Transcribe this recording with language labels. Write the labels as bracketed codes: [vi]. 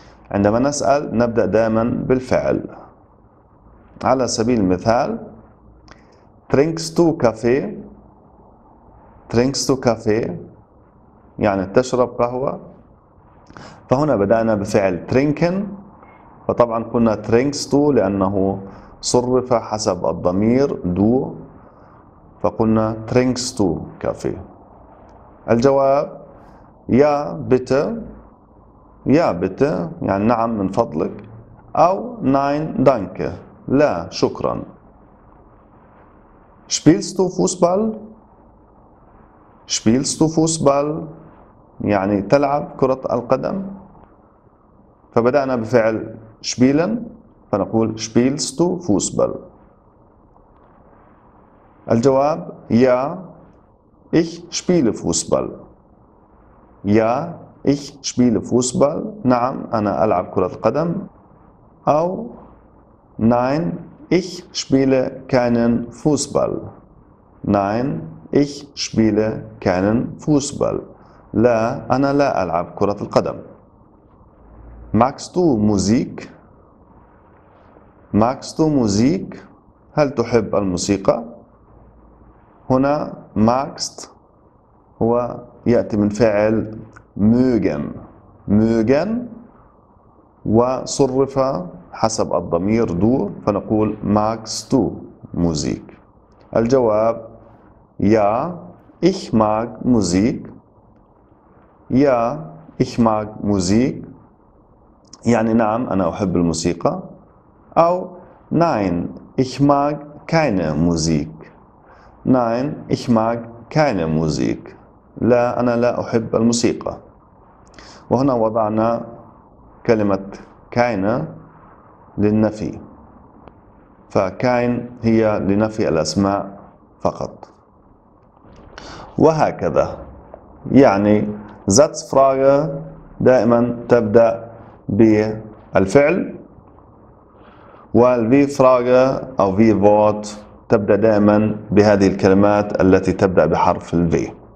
[ar] عندما نسأل نبدأ دائما بالفعل على سبيل المثال trinkstu كافي trinkstu كافي يعني تشرب قهوة فهنا بدأنا بفعل trinken فطبعا قلنا trinkstu لأنه صرف حسب الضمير do فقلنا [de] trinkst du Kaffee؟ [ar] الجواب [de] ja bitte, ja bitte, [ar] يعني نعم من فضلك, أو [de] nein danke, [ar] لا شكرا. [de] spielst du Fußball؟ spielst du Fußball؟ [ar] يعني تلعب كرة القدم. فبدأنا بفعل spielen فنقول [de] spielst du Fußball. الجواب ja, ich spiele Fußball. ja, ich spiele Fußball. [ar] نعم أنا ألعب كرة القدم. [de] أو nein, ich spiele keinen Fußball. nein, ich spiele keinen Fußball. [ar] لا أنا لا ألعب كرة القدم. [de] magst du Musik؟ magst du Musik؟ [ar] هل تحب الموسيقى؟ هنا magst هو يأتي من فعل mögen. mögen وصرف حسب الضمير دو فنقول [de] magst du Musik. الجواب ja, ich mag Musik. ja, ich mag Musik. [ar] يعني نعم أنا أحب الموسيقى. [de] أو nein, ich mag keine Musik. nein, ich mag keine Musik. [ar] لا أنا لا أحب الموسيقى. وهنا وضعنا كلمة keine للنفي. فكاين هي لنفي الأسماء فقط. وهكذا. يعني Satzfrage دائما تبدأ بالفعل والـ wie Frage أو wie Wort تبدأ دائما بهذه الكلمات التي تبدأ بحرف الـ V.